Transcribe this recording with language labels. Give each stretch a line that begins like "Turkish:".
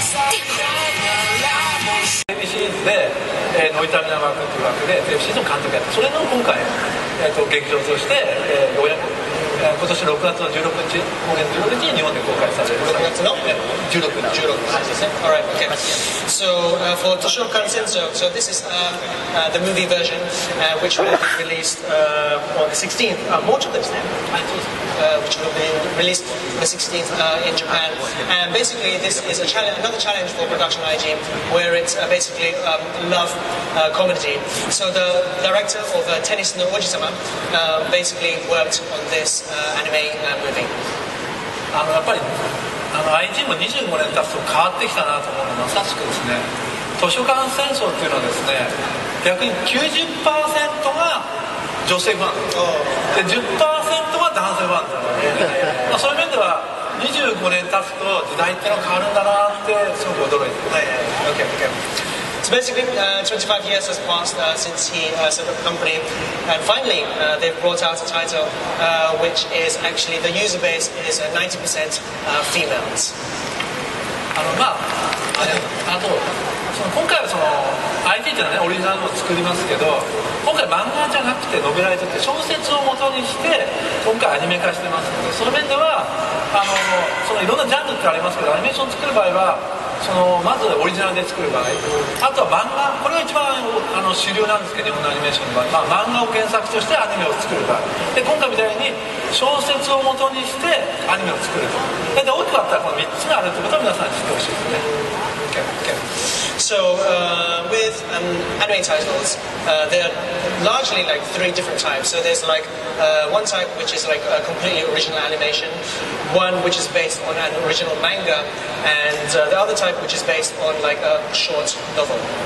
Japanese: でもテレビシリーズで、ノイタミナマ君という枠でテレビシリーズの監督やった。それの今回、劇場として、ようやく今年6月の16日、公演16日に日本で公開される。 6月の 16日。 16日ですね。
English: All right, okay. So, for Toshio Kansen, so this is the movie version, which will be released on the 16th, March of this year, which will be released on the 16th in Japan. And basically, this is a challenge, another challenge for Production IG, where it's basically a love comedy. So the director of Tennis no Ojisama basically worked on this.
Japanese: アニメ、ムービー。あのやっぱりIGも25年経つと変わってきたなと思うのはまさしくですね、図書館戦争っていうのはですね、逆に 90% が女性ファンで 10% が男性ファンだったので、まあ、そういう面では25年経つと時代っていうのは変わるんだなってすごく驚いてます。
English: OK, OK. So basically, 25 years has passed since he set up the company, and finally they've brought out a title which is actually the user base is 90% females.
Japanese: あのまあ、あとその今回はその IG っていうのはね、オリジナルを作りますけど、今回漫画じゃなくてノベライトって小説を元にして今回アニメ化してますので、その面ではあのそのいろんなジャンルってありますけど、アニメーションを作る場合はそのまずオリジナルで作る場合、あとは漫画、これが一番あの主流なんですけど、日本のアニメーションの場合、まあ、漫画を原作としてアニメを作る場合で、今回みたいに小説を元にしてアニメを作る場合で、大きくあったらこの3つがあるということを皆さんに知ってほしいですね。
English: okay, okay. So with anime titles, there are largely like three different types. So there's like one type which is like a completely original animation, one which is based on an original manga, and the other type which is based on like a short novel.